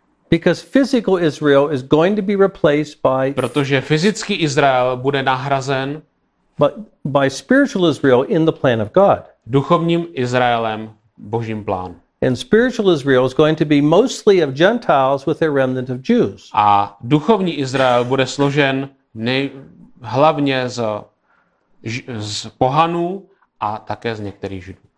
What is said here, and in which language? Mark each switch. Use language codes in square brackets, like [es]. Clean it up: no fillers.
[en] Because physical Israel is going to be replaced by. [cs] Protože fyzický Izrael bude nahrazen. [en] By spiritual Israel in the plan of God. [cs] Duchovním Izraelem Božím plán. [en] And spiritual Israel is going to be mostly of Gentiles with a remnant of Jews. [cs] A duchovní Izrael bude složen hlavně z pohanů a také z některých Židů.